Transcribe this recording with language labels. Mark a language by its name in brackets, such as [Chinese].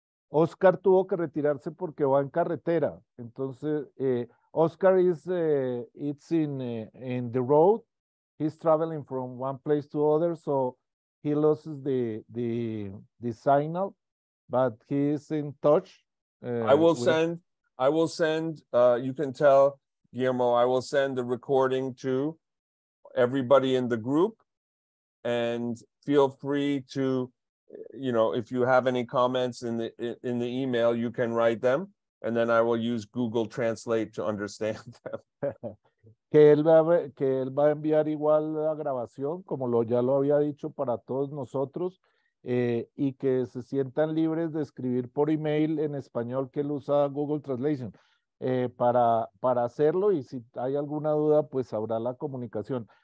[Spanish] Oscar tuvo que retirarse porque va en carretera. Entonces, [English] Oscar is it's in the road. He's traveling from one place to other, so he loses the signal, but he is in touch. You can tell Guillermo, I will send the recording to everybody in the group, and feel free to, you know, if you have any comments in the email, you can write them, and then I will use Google Translate to understand them. [Spanish] que él va a enviar igual la grabación, como ya lo había dicho para todos nosotros, y que se sientan libres de escribir por email en español, que él usa Google Translation, para hacerlo, y si hay alguna duda, pues habrá la comunicación.